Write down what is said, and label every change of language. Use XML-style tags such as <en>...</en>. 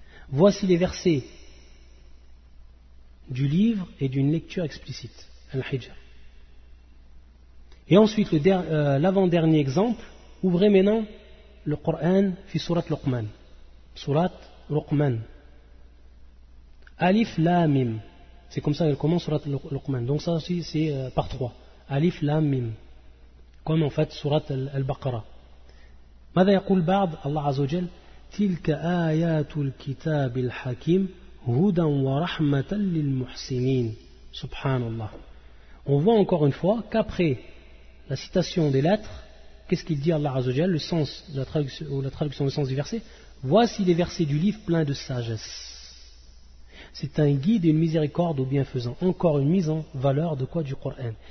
<fr>Voici les versets du livre et d'une lecture explicite, Al-Hijr. Et ensuite, l'avant-dernier exemple, Ouvrez maintenant le Coran, fi surat Luqman. Surat Luqman. Alif Lam Mim. C'est comme ça qu'elle commence surat Luqman. Donc ça aussi c'est par trois. Alif Lam Mim. Comme en fait surat Al-Baqarah.</fr> <ar>ماذا يقول بعض الله عز وجل تلك آيات الكتاب الحكيم هدى ورحمة للمحسنين سبحان الله.</ar> <fr>On voit encore une fois qu'après la citation des lettres, qu'est-ce qu'il dit Allah Azza wa Jalla, le sens de la traduction, ou la traduction au sens du verset, voici les versets du livre plein de sagesse. C'est un guide et une miséricorde aux bienfaisants. Encore une mise en valeur de quoi du Coran.</fr>